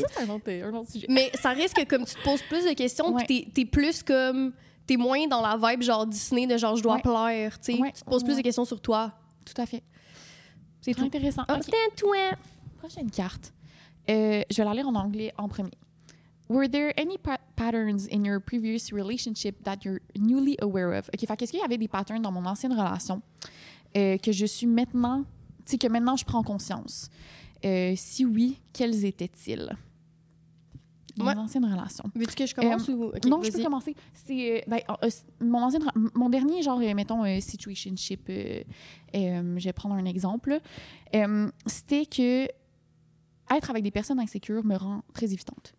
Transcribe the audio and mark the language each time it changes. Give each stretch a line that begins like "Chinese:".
French: Ça, c'est un autre sujet. Mais ça risque que comme tu te poses plus de questions, ouais. puis t'es plus comme, t'es moins dans la vibe genre Disney de genre, je dois ouais. plaire, tu sais. Ouais. Tu te poses ouais. plus de questions sur toi. Tout à fait. C'est tout. Intéressant. Okay. Toi. Prochaine carte. Je vais la lire en anglais en premier.
English: Were there any patterns in your previous relationship that you're newly aware of?
French: Ok, fait, est-ce qu'il y avait des patterns dans mon ancienne relation que je suis maintenant, tu sais, que maintenant je prends conscience? Si oui, quels étaient-ils? Mon ancienne relation. Veux-tu que je commence ou... Okay, non, vas-y. Je peux commencer. C'est mon dernier genre, mettons, situationship, je vais prendre un exemple, c'était que être avec des personnes insécures me rend très évitante.